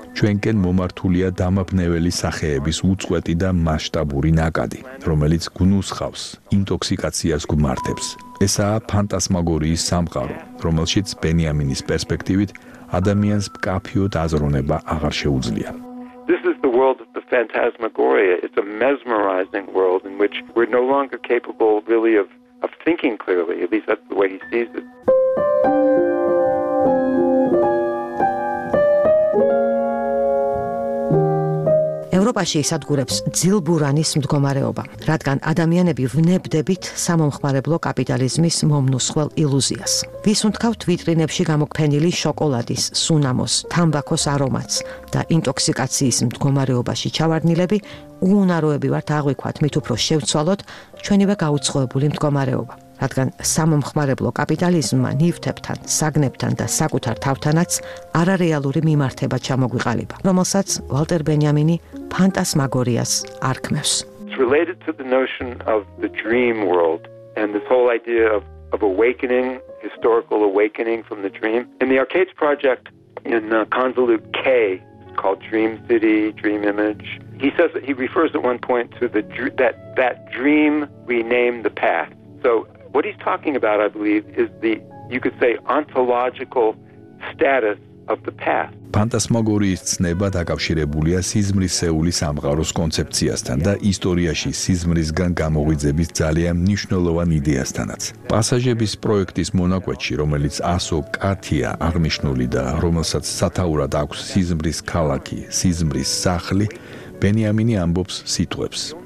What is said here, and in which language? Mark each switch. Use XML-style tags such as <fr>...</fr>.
<ka>ჩვენკენ მომართულია დამაბნეველი სახეების უწყვეტი და მასშტაბური ნაკადი, რომელიც გნუსხავს, ინტოქსიკაციას გმართებს. ესაა ფანტასმაგორიის სამყარო, რომელშიც ბენიამინის პერსპექტივით ადამიანს მკაფიოდ აზროვნება აღარ შეუძლია.</ka> <en>This is the world of the phantasmagoria. It's a mesmerizing world in which we're no longer capable really of thinking clearly, at least that's the way he sees it.</en> <ka>ევროპაში ისადგურებს ძილბურანის მდგომარეობა, რადგან ადამიანები ვნებდებით სამომხმარებლო კაპიტალიზმის მომნუსხველ ილუზიას. ვის უნთქავთ ვიტრინებში გამოქფენილი შოკოლადის, სუნამოს, თამბაქოს არომატს და ინტოქსიკაციის მდგომარეობაში ჩავარდნილები, უუნაროები ვართ აღვიქვათ, მით უფრო შევცვალოთ ჩვენივე გაუცხოებული მდგომარეობა. რადგან სამომხმარებლო კაპიტალიზმმა ნივთებთან, საგნებთან და საკუთარ თავთანაც არარეალური მიმართება ჩამოგვიყალიბა, რომელსაც ვალტერ ბენიამინი ფანტასმაგორიას არქმევს.</ka> <en>It's related to the notion of the dream world and this whole idea of awakening, historical awakening from the dream. In the Arcades project in convolute K called Dream City, Dream Image, he says that he refers at one point to the that dream renamed the path. So what he's talking about, I believe, is the, you could say, ontological status of the past.</en> <ka>ფანტასმაგორიის ცნება დაკავშირებულია სიზმრისეული სამყაროს კონცეფციასთან და ისტორიაში სიზმრისგან გამოღვიძების ძალიან მნიშვნელოვან იდეასთანაც. პასაჟების პროექტის მონაკვეთში, რომელიც ასო კათია აღნიშნული და რომელსაც სათაურად აქვს სიზმრის ქალაქი, სიზმრის სახლი, ბენიამინი ამბობს სიტყვებს:</ka>